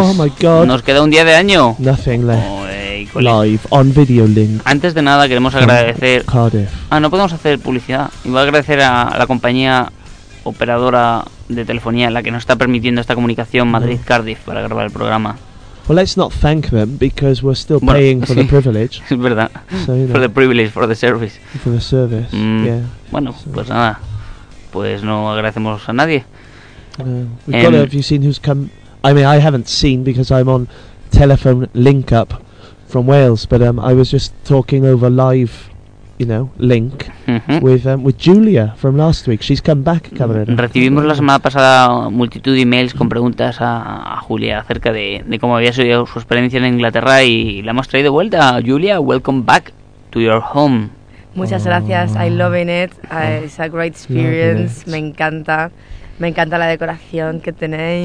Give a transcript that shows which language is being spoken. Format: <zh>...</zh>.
<en>oh my God.</en> <es>Nos queda un día de año.</es> <en>Nothing left. Oh, hey, Collins. Live on video link.</en> <es>Antes de nada, queremos agradecer. Cardiff. Ah, no podemos hacer publicidad. Y voy a agradecer a la compañía operadora de telefonía, la que nos está permitiendo esta comunicación, Madrid-Cardiff, para grabar el programa.</es> <en>Well, let's not thank them because we're still paying for the privilege.</en> <es>Es verdad.</es> <en>So, you know. For the privilege, for the service. For the service. Yeah.</en> <es>Bueno, pues nada. Pues no agradecemos a nadie.</es> <en>Have you seen who's come? I mean, I haven't seen because I'm on telephone link up from Wales, but I was just talking over live, you know, link with Julia from last week. She's come back,</en> <es>cabrera. Recibimos la semana pasada multitud de emails con preguntas a Julia acerca de cómo había sido su experiencia en Inglaterra y la hemos traído de vuelta.</es> <en>Julia, welcome back to your home.</en> <es>Muchas gracias,</es> <en>I'm loving it, it's a great experience,</en> <es>me encanta la decoración que tenéis.</es>